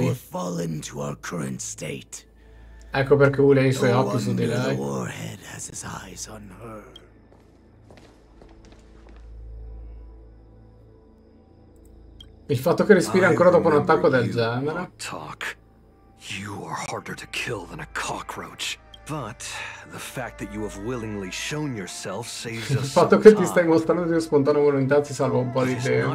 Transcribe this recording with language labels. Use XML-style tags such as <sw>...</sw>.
<en>We have fallen to our current state.</en> <it>Ecco perché vuole i suoi occhi su di lei.</it> <en>Warhead has his eyes on her.</en> <it>Il fatto che respira ancora dopo un attacco del genere.</it> <en>Talk. You are harder to kill than a cockroach. But the fact that you have willingly shown yourself saves us.</en> <it>Il fatto che ti stai mostrando di spontanea volontà ti salva un po' di tempo.</it>